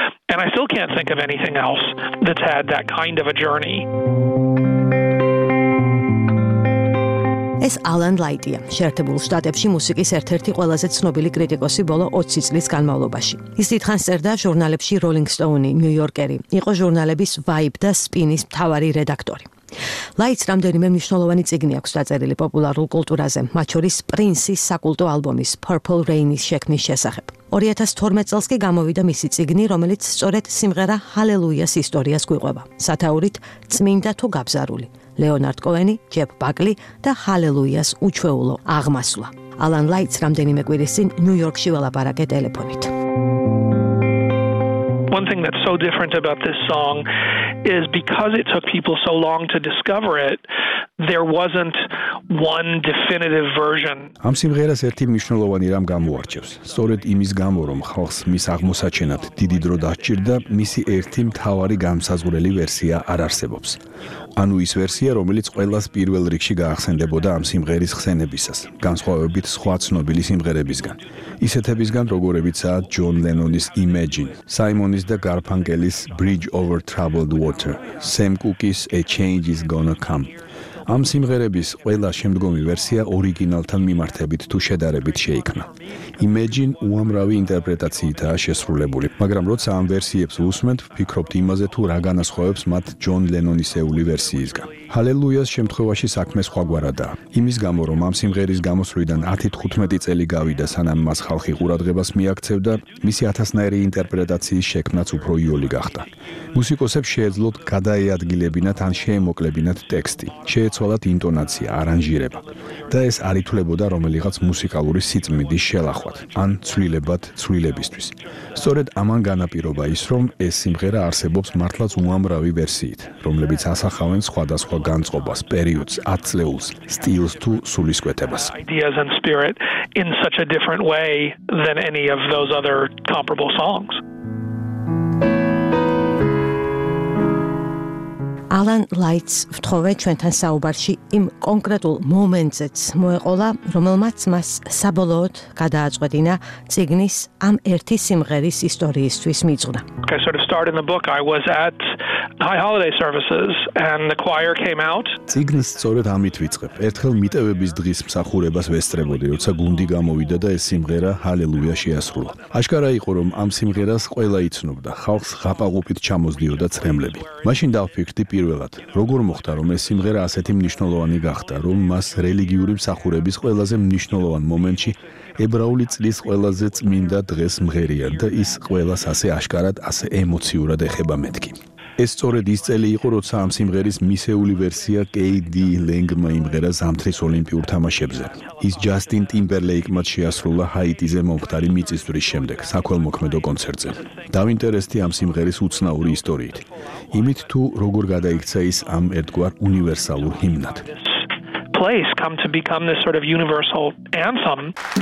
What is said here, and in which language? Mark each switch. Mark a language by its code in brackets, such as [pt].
[en] And I still can't think of anything else that's had that kind of a journey. [ka] ეს ალან ლაიტია, შეერთებულ შტატებში მუსიკის ერთ-ერთი ყველაზე ცნობილი კრიტიკოსი ბოლო 20 წლის განმავლობაში. ის დიდხანს წერდა ჟურნალებში Rolling Stone, New Yorker-ი, იყო ჟურნალების Vibe და Spin-ის მთავარი რედაქტორი. ლაიტს რამდენიმე მნიშვნელოვანი წიგნი აქვს დაწერილი პოპულარულ კულტურაზე, მათ შორის პრინსის საკულტო ალბომის Purple Rain-ის შექმნის შესახებ. 2012 წელს კი გამოვიდა მისი წიგნი, რომელიც სწორედ სიმღერა ჰალელუიას ისტორიას გვიყვება. სათაურით წმინდა თუ გაბზარული. ლეონარდ კოენი, ჯეფ ბაკლი და ჰალელუიას უჩვეულო აღმასვლა. ალან ლაიტს რამდენიმე კვირის წინ ნიუ-იორკში ველაპარაკე ტელეფონით. [en] One thing that's so different about this song is because it took people so long to discover it, there wasn't one definitive version. [ka] ამ სიმღერას ერთი მნიშვნელოვანი რამ გამოარჩევს. სწორედ იმის გამო, რომ ხალხს მის აღმოსაჩენად დიდი დრო დასჭირდა, მისი ერთი მთავარი განსაზღვრელი ვერსია არ არსებობს. ანუ ის ვერსია, რომელიც ყველას პირველ რიგში გაახსენდებოდა ამ სიმღერის ხსენებისას, განსხვავებით სხვა ცნობილი სიმღერებისგან. ისეთებისგან, როგორებიცაა ჯონ ლენონის Imagine, საიმონის და გარფანკელის Bridge Over Troubled Water, Sam Cooke-ის A Change Is Gonna Come. ამ სიმღერების ყველა შემდგომი ვერსია ორიგინალთან მიმართებით თუ შედარებით შეიქმნა. Imagine უამრავი ინტერპრეტაციითაა შესრულებული, მაგრამ როცა ამ ვერსიებს უსმენთ, ფიქრობთ იმაზე, თუ რა განასხვავებს მათ ჯონ ლენონისეული ვერსიისგან. ჰალელუიას შემთხვევაში საქმე სხვაგვარადაა. იმის გამო, რომ ამ სიმღერის გამოსვლიდან 10-15 წელი გავიდა, სანამ მას ხალხი ყურადღებას მიაქცევდა, მისი ათასნაირი ინტერპრეტაციის შექმნაც უფრო იოლი გახდა. მუსიკოსებს შეეძლოთ გადაეადგილებინათ ან შეემოკლებინათ ტექსტი, შეეცვალათ ინტონაცია, არანჟირება და ეს არ ითვლებოდა რომელიღაც მუსიკალური სიწმინდის შელახვად ან ცვლილებად ცვლილებისთვის. სწორედ ამან განაპირობა ის, რომ ეს სიმღერა არსებობს მართლაც უამრავი ვერსიით, რომლებიც ასახავენ სხვადასხვა განწყობას, პერიოდს, ათწლეულს, სტილს თუ სულისკვეთებას. [en] Ideas and spirit in such a different way than any of those other comparable songs. [ka] ალან ლაიტს ვთხოვე ჩვენთან საუბარში იმ კონკრეტულ მომენტზეც მოეყოლა, რომელმაც მას საბოლოოდ გადააწყვეტინა წიგნის ამ ერთი სიმღერის ისტორიისთვის მიძღვნა. [en] I sort of started in the book I was at High Holiday Services and the choir came out. [ka] Цигнс სწორედ ამით ვიწყებ. ერთხელ მიტევების დღის მსახურებას ვესწრებოდი, როცა გუნდი გამოვიდა და ეს სიმღერა ჰალელუია შეასრულა. აშკარა იყო, რომ ამ სიმღერას ყველა იცნობდა, ხალხს ღაპაღუპით ჩამოსდიოდა ცრემლები. მაშინ დავფიქრდი პირველად, როგორ მოხდა, რომ ეს სიმღერა ასეთი მნიშვნელოვანი გახდა, რომ მას რელიგიური მსახურების ყველაზე მნიშვნელოვან მომენტში ებრაული წლის ყველაზე წმინდა დღეს მღერია და ის ყველას ასე აშკარად, ასე ემოციურად ეხება მეთქი. ეს სწორედ ის წელი იყო, როცა ამ სიმღერის მისეული ვერსია კეიდი ლენგმა იმღერა ზამთრის ოლიმპიურ თამაშებზე. ის ჯასტინ ტიმბერლეიკმა შეასრულა ჰაიტიზე მომხდარი მიწისძვრის შემდეგ საქველმოქმედო კონცერტზე. დავინტერესდი ამ სიმღერის უცნაური ისტორიით, იმით თუ როგორ გადაიქცა ის ამ ერთგვარ უნივერსალურ ჰიმნად. [en] Place come to become this sort of universal anthem.